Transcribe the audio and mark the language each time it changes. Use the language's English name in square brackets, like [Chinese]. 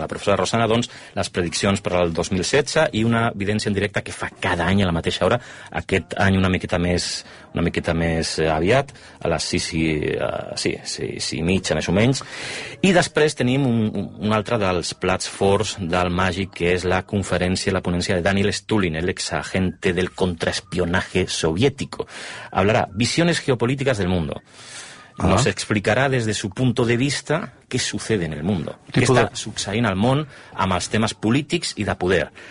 [Catalan] La professora Rosana, doncs, les prediccions per al 2016 i una videncia en directe que fa cada any a la mateixa hora, aquest any una miqueta més aviat, a les 6:30, més o menys. I després tenim un altre dels plats forts del Màgic, que és la conferència, la ponència de Daniel Stulin, [Spanish] l'exagente del contraespionaje soviético. Hablarà visiones geopolíticas del mundo. Nos [Catalan] explicarà des de [Spanish] su punto de vista què sucede en el mundo. [Catalan] Què està succeint al món amb els temes polítics i de poder.